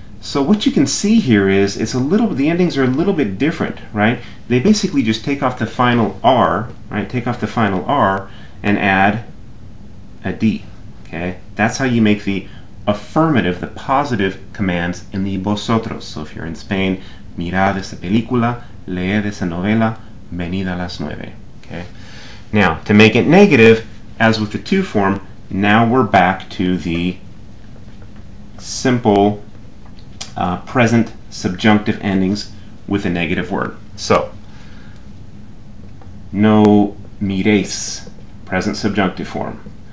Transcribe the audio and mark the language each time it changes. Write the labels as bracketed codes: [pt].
[en] So what you can see here is the endings are a little bit different, right? They basically just take off the final R, right? Take off the final R and add a D, okay? That's how you make the affirmative, the positive commands in the vosotros. So if you're in Spain, [es] mirad esa película, leed esa novela, venid a las nueve, okay? [en] Now, to make it negative, as with the to form, now we're back to the simple present subjunctive endings with a negative word. So, [es] no mires, [en] present subjunctive form.